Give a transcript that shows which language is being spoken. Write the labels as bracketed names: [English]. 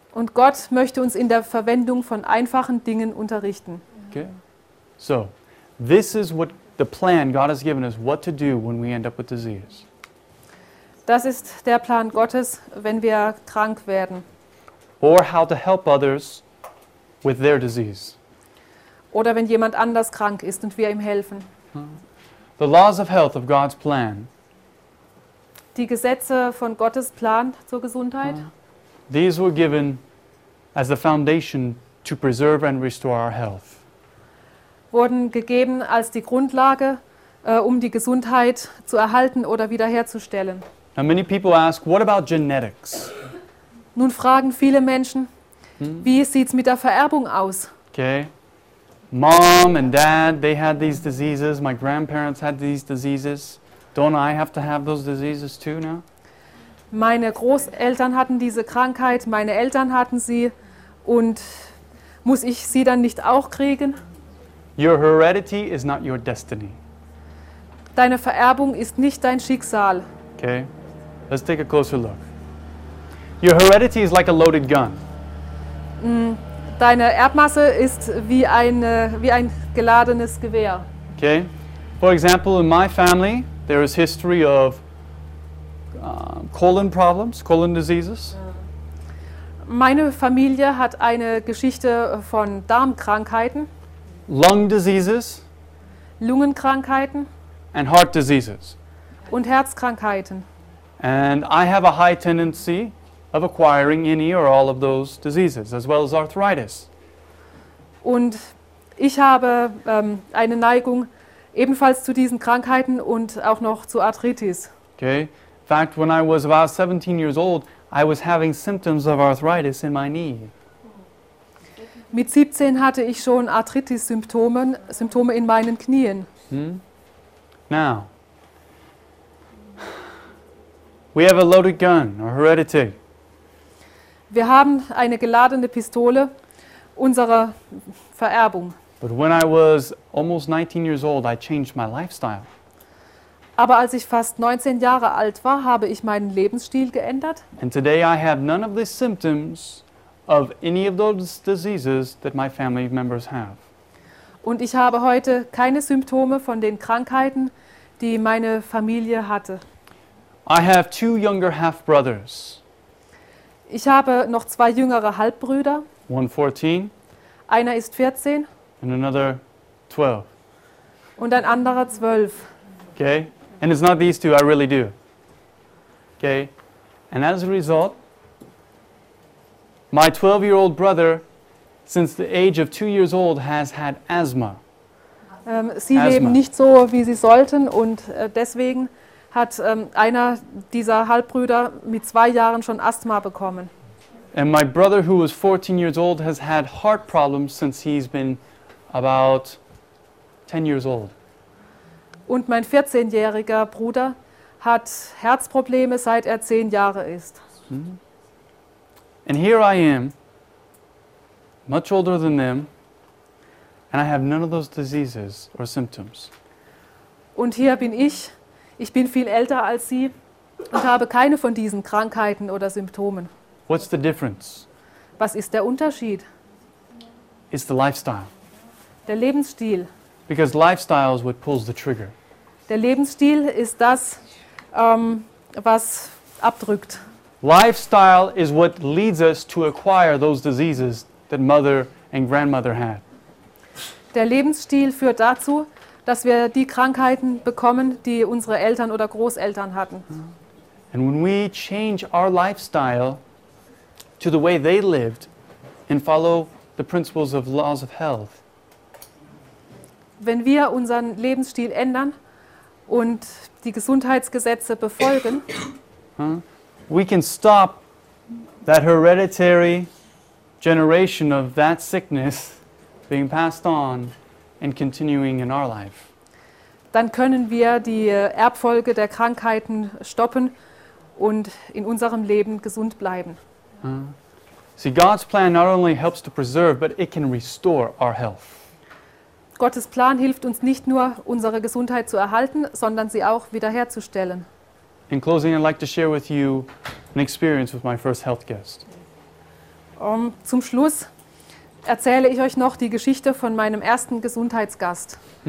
[German] Und Gott möchte uns in der Verwendung von einfachen Dingen unterrichten. [English] Okay. So, this is what the plan God has given us, what to do when we end up with disease. [German] Das ist der Plan Gottes, wenn wir krank werden. [English] Or how to help others with their disease. [German] Oder wenn jemand anders krank ist und wir ihm helfen. [English] The laws of health of God's plan. [German] Die Gesetze von Gottes Plan zur Gesundheit. [English] These were given as the foundation to preserve and restore our health. [German] Wurden gegeben als die Grundlage, um die Gesundheit zu erhalten oder wiederherzustellen. [English] Now many people ask, what about genetics? [German] Nun fragen viele Menschen, wie sieht's mit der Vererbung aus? [English] Okay. Mom and dad, they had these diseases. My grandparents had these diseases. Don't I have to have those diseases too now? [German] Meine Großeltern hatten diese Krankheit, meine Eltern hatten sie, und muss ich sie dann nicht auch kriegen? [English] Your heredity is not your destiny. [German] Deine Vererbung ist nicht dein Schicksal. [English] Okay, let's take a closer look. Your heredity is like a loaded gun. [German] Deine Erbmasse ist wie ein geladenes Gewehr. [English] Okay, for example, in my family, there is history of colon problems, colon diseases. [German] Meine Familie hat eine Geschichte von Darmkrankheiten. [English] Lung diseases. [German] Lungenkrankheiten. [English] And heart diseases. [German] Und Herzkrankheiten. [English] And I have a high tendency of acquiring any or all of those diseases, as well as arthritis. [German] Und ich habe eine Neigung ebenfalls zu diesen Krankheiten und auch noch zu Arthritis. [English] Okay. In fact, when I was about 17 years old, I was having symptoms of arthritis in my knee. [German] Mit 17 hatte ich schon Arthritis-Symptome in meinen Knien. [English] Now, we have a loaded gun, a heredity. [German] Wir haben eine geladene Pistole, unsere Vererbung. [English] But when I was almost 19 years old, I changed my lifestyle. [German] Aber als ich fast 19 Jahre alt war, habe ich meinen Lebensstil geändert. [English] And today I have none of the symptoms of any of those diseases that my family members have. [German] Und ich habe heute keine Symptome von den Krankheiten, die meine Familie hatte. [English] I have two younger half-brothers. [German] Ich habe noch zwei jüngere Halbbrüder. [English] One 14. [German] Einer ist 14. [English] And another 12. [German] Und ein anderer 12. [English] Okay. And it's not these two, I really do. Okay? And as a result, my 12-year-old brother, since the age of 2 years old, has had asthma. [German] Sie leben nicht so, wie sie sollten, und deswegen hat einer dieser Halbbrüder mit 2 Jahren schon Asthma bekommen. [English] And my brother, who was 14 years old, has had heart problems since he's been about 10 years old. [German] Und mein 14-jähriger Bruder hat Herzprobleme, seit 10 Jahre ist. [English] And here I am, much older than them, and I have none of those diseases or symptoms. [German] Und hier bin ich. Ich bin viel älter als sie und habe keine von diesen Krankheiten oder Symptomen. [English] What's the difference? [German] Was ist der Unterschied? [English] It's the lifestyle. [German] Der Lebensstil. [English] Because lifestyle is what pulls the trigger. [German] Der Lebensstil ist das, was abdrückt. [English] Lifestyle is what leads us to acquire those diseases that mother and grandmother had. [German] Der Lebensstil führt dazu, dass wir die Krankheiten bekommen, die unsere Eltern oder Großeltern hatten. [English] And when we change our lifestyle to the way they lived and follow the principles of laws of health, [German] wenn wir unseren Lebensstil ändern und die Gesundheitsgesetze befolgen, [English] we can stop that hereditary generation of that sickness being passed on and continuing in our life. [German] Dann können wir die Erbfolge der Krankheiten stoppen und in unserem Leben gesund bleiben. [English] See, God's plan not only helps to preserve, but it can restore our health. [German] Gottes Plan hilft uns nicht nur, unsere Gesundheit zu erhalten, sondern sie auch wiederherzustellen. [English] In closing, I'd like to share with you an experience with my first health guest. [German] Zum Schluss erzähle ich euch noch die Geschichte von meinem ersten Gesundheitsgast.